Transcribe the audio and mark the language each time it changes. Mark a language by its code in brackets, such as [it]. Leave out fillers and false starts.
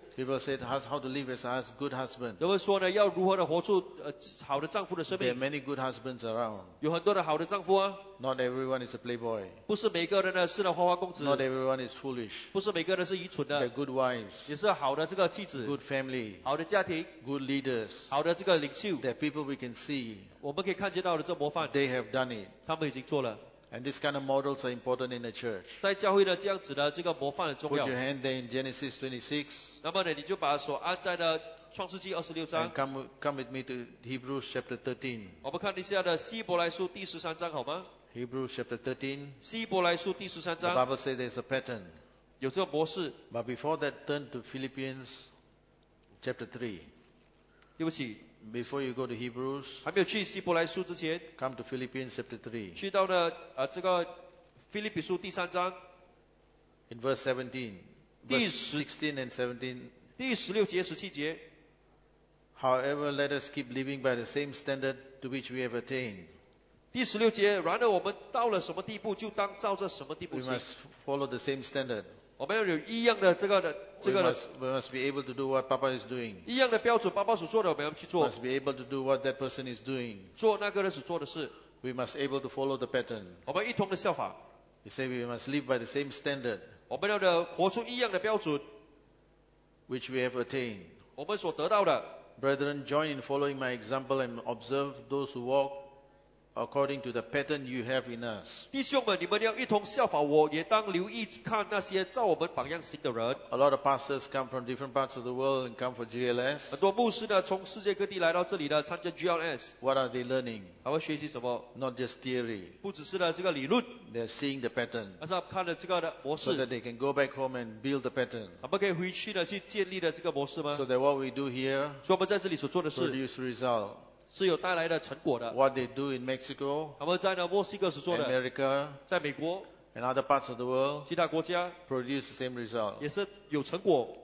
[en] People said, how to live as a good husband. [zh] 有人说呢, 要如何的活出, 好的丈夫的生命? [en] There are many good husbands around. [zh] 有很多的好的丈夫啊? [en] Not everyone is a playboy. [zh] 不是每个人呢, 是的花花公子, [en] not everyone is foolish. [zh] 不是每个人是愚蠢的, [en] they are good wives. [zh] 也是好的这个妻子, [en] good family. [zh] 好的家庭, [en] good leaders. [zh] 好的这个领袖, [en] there are people we can see. [zh] 我们可以看见到的这模范, [en] they have done it. [zh] 他们已经做了。 [en] And these kind of models are important in the church. [zh] 在教会呢,这样子呢,这个模范很重要。 [en] Put your hand there in Genesis 26. [zh] 那么呢,你就把手按在了创世纪26章。 [en] And come with me to Hebrews chapter 13. [zh] 我们看一下的希伯来书第13章好吗? [en] Hebrews chapter 13. [zh] 希伯来书第13章。 [en] The Bible says there's a pattern. [zh] 有这个模式。 [en] But before that, turn to Philippians chapter 3. [zh] 对不起。 [en] Before you go to Hebrews, [zh] 还没有去希伯来书之前, [en] come to Philippians chapter 3. [zh] 去到了这个腓立比书第三章, [en] in verse 17, verse 16 and 17. [zh] 第16节, 17节, [en] however, let us keep living by the same standard to which we have attained. [zh] 第16节, 然而我们到了什么地步, 就当照着什么地步, [en] we must follow the same standard. [zh] 我们要有一样的这个, [en] we must be able to do what Papa is doing. [zh] 一样的标准, 爸爸所做的, 我们要去做, [en] must be able to do what that person is doing. [zh] 做那个人所做的事, [en] we must be able to follow the pattern. [zh] 我们一同的效法, [en] you say we must live by the same standard. [zh] 我们要活出一样的标准, [en] which we have attained. [zh] 我们所得到的, [en] brethren, join in following my example and observe those who walk according to the pattern you have in us. [zh] 弟兄们, 你们要一同效法我, 也当留意看那些照我们榜样行的人。 [en] A lot of pastors come from different parts of the world and come for GLS. [zh] 很多牧师呢, 从世界各地来到这里的, 参加GLS。 [en] What are they learning? [zh] 他们学习什么? [en] Not just theory. [zh] 不只是呢这个理论, [en] they're seeing the pattern. [zh] 而是看了这个模式, [en] so that they can go back home and build the pattern. [zh] 他们可以回去呢, 去建立了这个模式吗? [en] So that what we do here, [zh] 所以我们在这里所做的事, [en] produce result. [zh] 是有带来的成果的, [en] what they do in Mexico, [zh] 他们在墨西哥所做的, [en] America, [zh] 在美国, [en] and other parts of the world, [zh] 其他国家, [en] produce the same result. [zh] 也是有成果,